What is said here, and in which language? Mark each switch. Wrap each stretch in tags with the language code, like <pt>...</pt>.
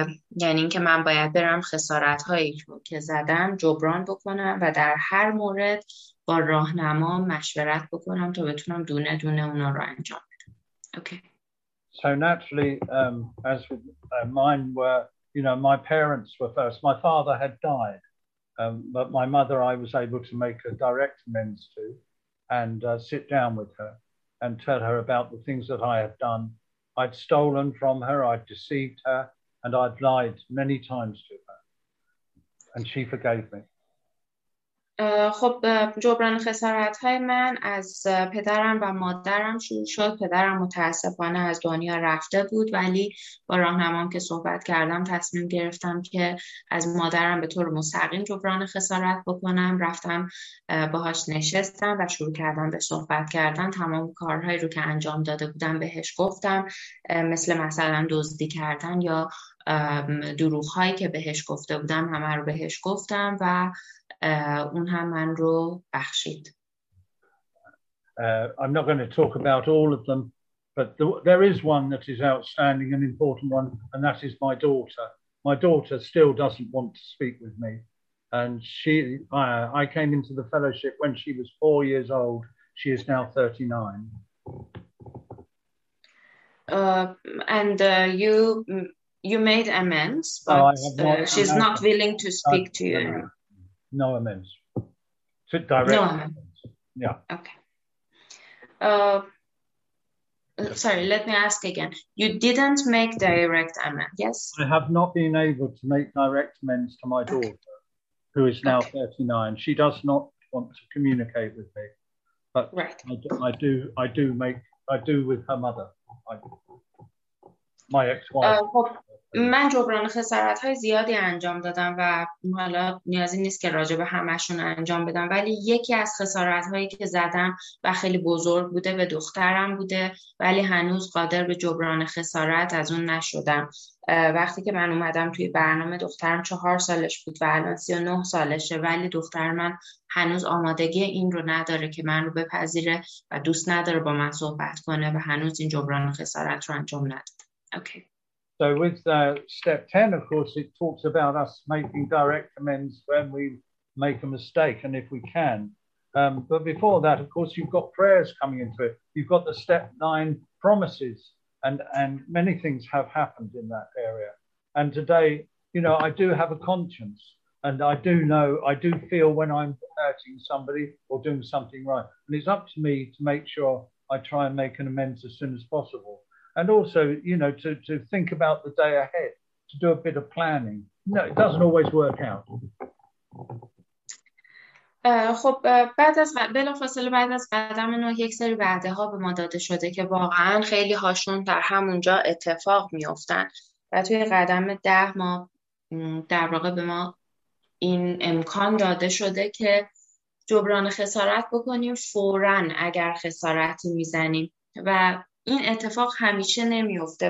<fa>یعنی این که من باید برم خسارت هایی که زدم جبران بکنم و در هر مورد با راهنما مشورت بکنم تا بتونم دونه دونه اونا رو انجام بدم. Okay.</fa> <en>So naturally, as with, mine were, you know, my parents were first. My father had died. But my mother, I was able to make a direct amends to and sit down with her and tell her about the things that I had done. I'd stolen from her, I'd deceived her, and I'd lied many times to her. And she forgave me.</en> <fa>خب جبران خسارت های من از پدرم و مادرم شروع شد. پدرم متاسفانه از دنیا رفته بود، ولی با راهنمام که صحبت کردم تصمیم گرفتم که از مادرم به طور مستقیم جبران خسارت بکنم. رفتم باهاش نشستم و شروع کردم به صحبت کردن. تمام کارهایی رو که انجام داده بودم بهش گفتم، مثلا دزدی کردن یا دروغ هایی که بهش گفته بودم همه رو بهش گفتم و اون هم من رو بخشید.</fa> <en>I'm not going to talk about all of them, but there is one that is outstanding and important one, and that is my daughter. My daughter still doesn't want to speak with me. And I came into the fellowship when she was 4 years old. She is now 39. And you made amends, but she's not willing to speak to you. No amends. To direct no amends. Yeah. Okay. Sorry, let me ask again. You didn't make direct amends, yes? I have not been able to make direct amends to my daughter, who is now 39. She does not want to communicate with me, but I do with her mother, my ex-wife.</en> <fa>من جبران خسارت های زیادی انجام دادم و حالا نیازی نیست که راجع به همشون انجام بدم، ولی یکی از خسارت هایی که زدم و خیلی بزرگ بوده به دخترم بوده، ولی هنوز قادر به جبران خسارت از اون نشدم. وقتی که من اومدم توی برنامه، دخترم 4 سالش بود و الان 39 سالشه، ولی دختر من هنوز آمادگی این رو نداره که من رو بپذیره و دوست نداره با من صحبت کنه و هنوز این جبران خسارت رو انجام نداد. اوکی.</fa> <en>So with step 10, of course, it talks about us making direct amends when we make a mistake and if we can. But before that, of course, you've got prayers coming into it. You've got the step 9 promises, and many things have happened in that area. And today, you know, I do have a conscience, and I do know, I do feel when I'm hurting somebody or doing something right. And it's up to me to make sure I try and make an amends as soon as possible. And also, you know, to think about the day ahead, to do a bit of planning. No, it doesn't always work out.</en> <fa>خب بعد از بلافاصله بعد از قدم 9 یک سری وعده ها به ما داده شده که واقعا خیلی هاشون در همونجا اتفاق میافتن، و توی قدم 10 ما در واقع به ما این امکان داده شده که جبران خسارت بکنیم فوراً اگر خسارتی میزنیم، و این اتفاق همیشه نمیفته.</fa>